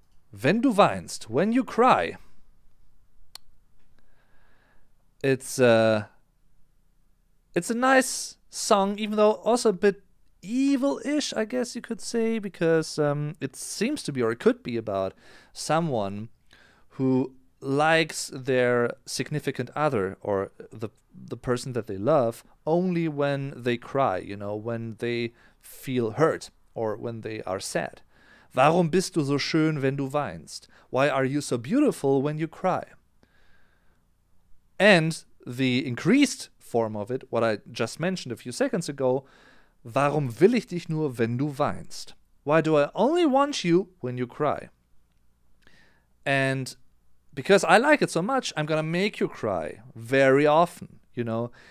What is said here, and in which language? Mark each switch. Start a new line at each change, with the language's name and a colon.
German: Wenn du weinst,
English: when you cry, it's a nice song, even though also a bit evil-ish, I guess you could say, because it seems to be, or it could be, about someone who likes their significant other or the person that they love only when they cry, you know, when they feel hurt or when they are sad.
German: Warum bist du so schön, wenn du weinst?
English: Why are you so beautiful when you cry? And the increased form of it, what I just mentioned a few seconds ago,
German: warum will ich dich nur, wenn du weinst?
English: Why do I only want you when you cry? And because I like it so much, I'm gonna make you cry very often, you know?